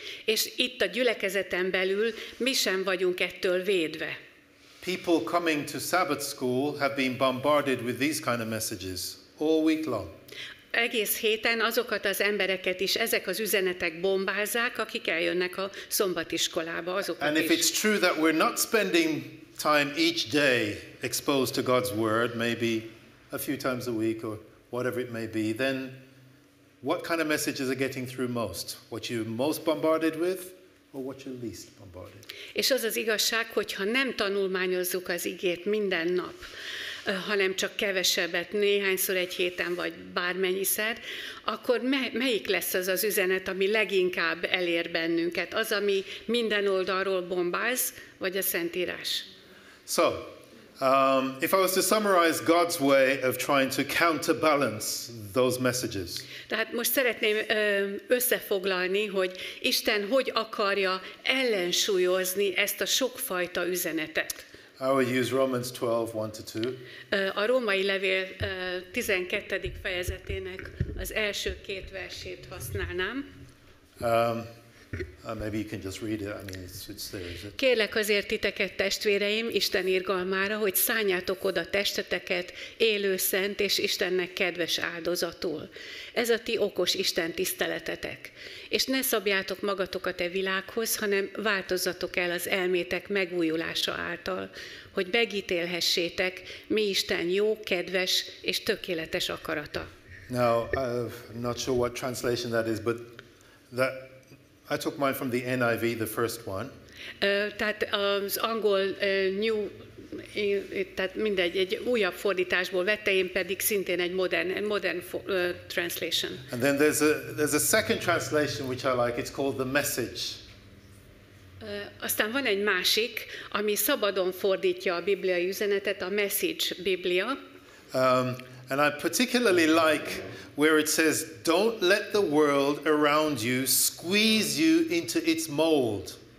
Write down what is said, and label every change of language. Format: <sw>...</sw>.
<hu>És itt a gyülekezeten belül mi sem vagyunk ettől védve.</hu> <en>People coming to Sabbath school have been bombarded with these kind of messages all week long.</en> <hu>Egész héten azokat az embereket is ezek az üzenetek bombázzák, akik eljönnek a szombatiskolába, azokat is.</hu> <en>And if it's true that we're not spending time each day exposed to God's word, maybe a few times a week or whatever it may be, then what kind of messages are getting through most? What you're most bombarded with or what you're least bombarded with?</en> <hu>És az az igazság, hogyha nem tanulmányozzuk az igét minden nap, hanem csak kevesebbet, néhányszor egy héten, vagy bármennyiszer, akkor melyik lesz az az üzenet, ami leginkább elér bennünket? Az, ami minden oldalról bombáz, vagy a Szentírás?</hu> <en>So, if I was to summarize God's way of trying to counterbalance those messages.</en> <hu>Tehát most szeretném összefoglalni, hogy Isten hogy akarja ellensúlyozni ezt a sokfajta üzenetet.</hu> <en>I would use Romans 12:1-2.</en> <hu>A római levél 12. fejezetének az első két versét használnám.</hu> <en>Maybe you can just read it. I mean, it's there, is it?</en> <hu>Kérlek azért titeket, testvéreim, Isten irgalmára, hogy szánjátok oda testeteket élő, szent és Istennek kedves áldozatul. Ez a ti okos Isten tiszteletetek. És ne szabjátok magatokat e világhoz, hanem változzatok el az elmétek megújulása által, hogy megítélhessétek, mi Isten jó, kedves és tökéletes akarata.</hu> <en>Now, I'm not sure what translation that is, but that I took mine from the NIV, the first one.</en> <hu>Tehát az angol new, tehát mindegy, egy újabb fordításból vette, én pedig szintén egy</hu> <en>modern translation. And then there's a second translation which I like. It's called the Message.</en> <hu>Aztán van egy másik, ami szabadon fordítja a bibliai üzenetet, a Message Biblia.</hu> <en>And I particularly like where it says, don't let the world around you squeeze you into its mold.</en>